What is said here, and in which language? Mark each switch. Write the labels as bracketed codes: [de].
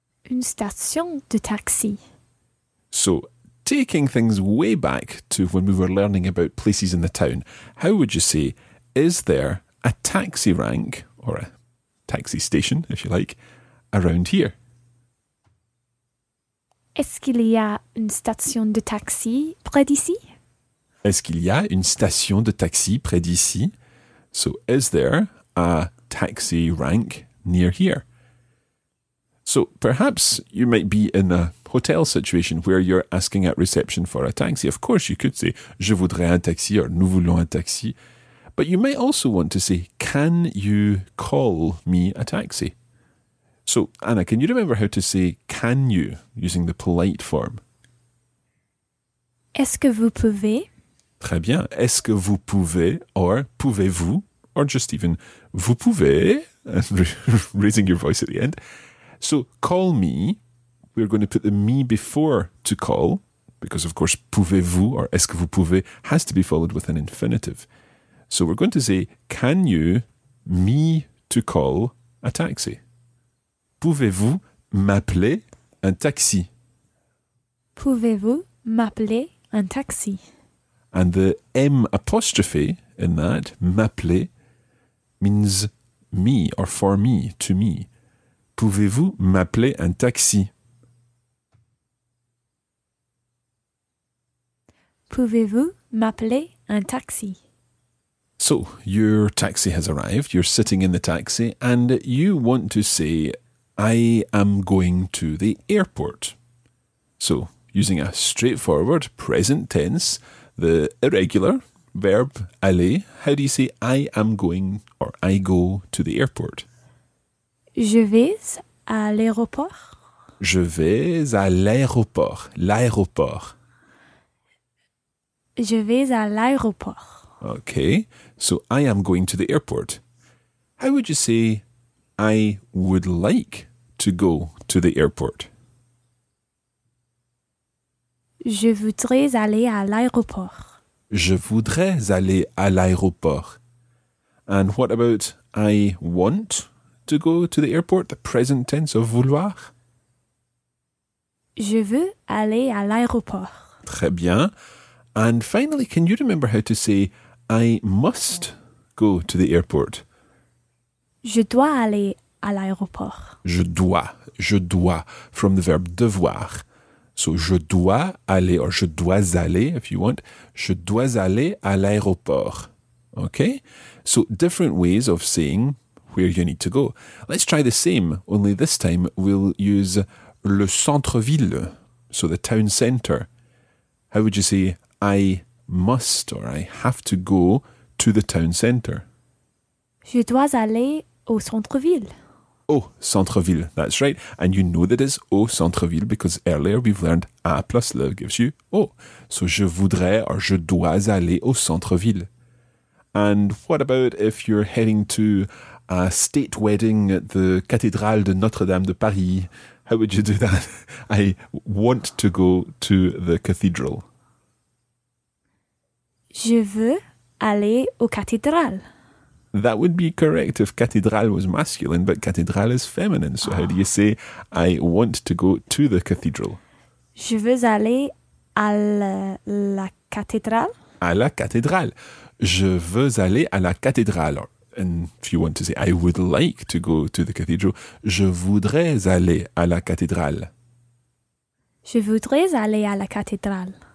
[fr] Une station de taxi. [en] So, taking things way back to when we were learning about places in the town, how would you say, is there a taxi rank, or a taxi station, if you like, around here? [fr] Est-ce qu'il y a une station de taxi près d'ici? Est-ce qu'il y a une station de taxi près d'ici? [en] So, is there a taxi rank near here? So, perhaps you might be in a hotel situation where you're asking at reception for a taxi. Of course, you could say, [fr] je voudrais un taxi, [en] or [fr] nous voulons un taxi. [en] But you might also want to say, can you call me a taxi? So, Anna, can you remember how to say, can you, using the polite form? [fr] Est-ce que vous pouvez? Très bien. Est-ce que vous pouvez, [en] or [fr] pouvez-vous, [en] or just even, [fr] vous pouvez, [en] raising your voice at the end. So, call me, we're going to put the me before to call, because of course, [fr] pouvez-vous [en] or [fr] est-ce que vous pouvez [en] has to be followed with an infinitive. So, we're going to say, can you me to call a taxi? [fr] Pouvez-vous m'appeler un taxi? Pouvez-vous m'appeler un taxi? [en] And the M apostrophe in that, m'appeler, means me or for me, to me. [fr] Pouvez-vous m'appeler un taxi? Pouvez-vous m'appeler un taxi? [en] So, your taxi has arrived, you're sitting in the taxi, and you want to say, I am going to the airport. So, using a straightforward present tense, the irregular verb aller, how do you say I am going or I go to the airport? [fr] Je vais à l'aéroport. Je vais à l'aéroport. L'aéroport. Je vais à l'aéroport. [en] Okay, so I am going to the airport. How would you say, I would like to go to the airport? [fr] Je voudrais aller à l'aéroport. Je voudrais aller à l'aéroport. [en] And what about I want to go to the airport, the present tense of vouloir? [fr] Je veux aller à l'aéroport. Très bien. [en] And finally, can you remember how to say, I must go to the airport? [fr] Je dois aller à l'aéroport. Je dois, [en] from the verb devoir. [fr] So, je dois aller, or je dois aller, [en] if you want. [fr] Je dois aller à l'aéroport. [en] Okay? So, different ways of saying where you need to go. Let's try the same, only this time we'll use le centre-ville, so the town centre. How would you say, I must or I have to go to the town centre? [fr] Je dois aller au centre-ville. [en] Au centre-ville, that's right. And you know that it's au centre-ville because earlier we've learned A plus le gives you au. [fr] So je voudrais or je dois aller au centre-ville. [en] And what about if you're heading to a state wedding at the Cathédrale de Notre-Dame de Paris? How would you do that? I want to go to the cathedral. [fr] Je veux aller au cathédrale. [en] That would be correct if cathédrale was masculine, but cathédrale is feminine. So how do you say, I want to go to the cathedral? [fr] Je veux aller à la cathédrale. À la cathédrale. Je veux aller à la cathédrale. [en] And if you want to say, I would like to go to the cathedral, [fr] je voudrais aller à la cathédrale. Je voudrais aller à la cathédrale.